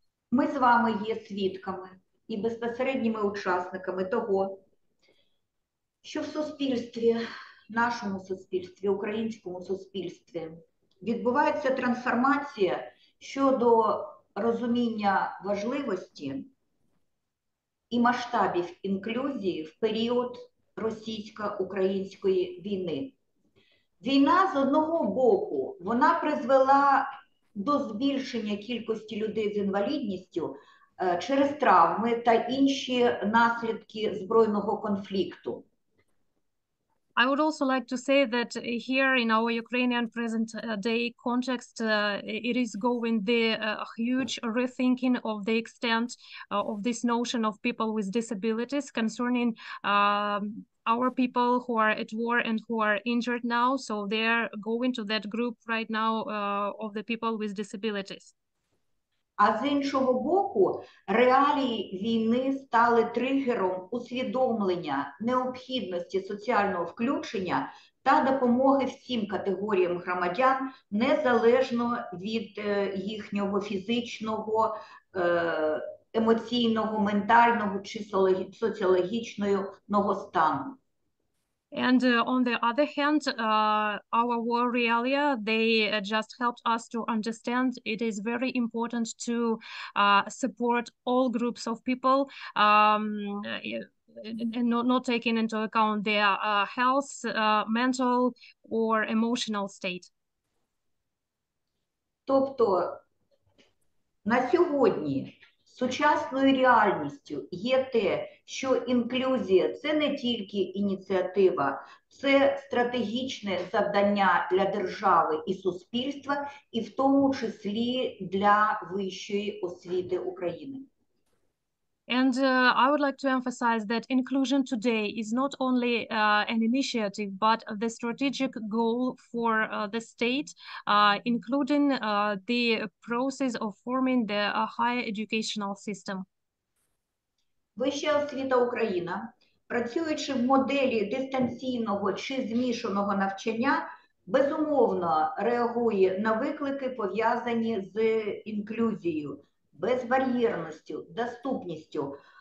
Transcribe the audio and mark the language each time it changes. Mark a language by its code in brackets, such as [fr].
[uk] Ми з вами є свідками і безпосередніми учасниками того, що в суспільстві, нашому суспільстві, українському суспільстві відбувається трансформація щодо розуміння важливості і масштабів інклюзії в період російсько-української війни. Війна, з одного боку, вона призвела до збільшення кількості людей з інвалідністю через травми та інші наслідки збройного конфлікту. [en] I would also like to say that here in our Ukrainian present day context, it is going the huge rethinking of the extent of this notion of people with disabilities concerning our people who are at war and who are injured now. So they're going to that group right now of the people with disabilities. [uk] А з іншого боку, реалії війни стали тригером усвідомлення необхідності соціального включення та допомоги всім категоріям громадян, незалежно від їхнього фізичного, емоційного, ментального чи соціологічного стану. [en] And on the other hand, our war realia, they just helped us to understand it is very important to support all groups of people, and not taking into account their health, mental or emotional state. [uk] Тобто, на сьогодні сучасною реальністю є те, що інклюзія – це не тільки ініціатива, це стратегічне завдання для держави і суспільства, і в тому числі для вищої освіти України. [en] And I would like to emphasize that inclusion today is not only an initiative, but the strategic goal for the state, including the process of forming the higher educational system. [uk] Вища освіта Україна, працюючи в моделі дистанційного чи змішаного навчання, безумовно реагує на виклики, пов'язані з інклюзією, безбар'єрністю, доступністю.